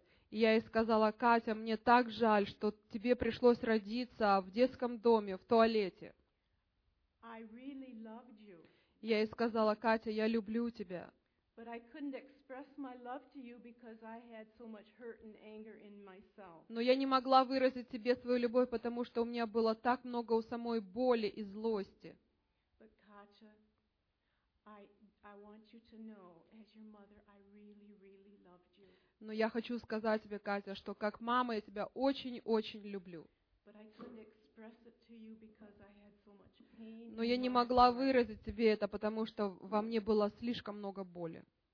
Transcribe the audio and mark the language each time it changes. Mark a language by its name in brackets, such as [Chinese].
[Russian] И я ей сказала, Катя, мне так жаль, что тебе пришлось родиться в детском доме, в туалете. [English] Really [Russian] я ей сказала, Катя, я люблю тебя. [English] But I couldn't express my love to you because I had so much hurt and anger in myself. [Russian] Но я не могла выразить тебе свою любовь, потому что у меня было так много у самой боли и злости. [English] But Katja, I want you to know, as your mother, I really, really loved you. [Russian] Но я хочу сказать тебе, Катя, что как мама я тебя очень-очень люблю. [English] But I couldn't express it to you because I had so much pain. [Russian] Но я не могла выразить тебе это, потому что во мне было слишком много боли.